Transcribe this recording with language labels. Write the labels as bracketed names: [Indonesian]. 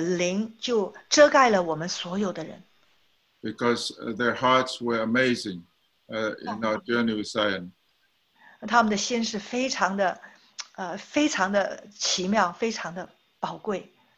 [Chinese] 然后这样的一个真儿女的灵就遮盖了我们所有的人。 [English] Because their hearts were amazing in our journey with Zion. [Chinese] 他们的心是非常的, 非常的奇妙, 非常的宝贵。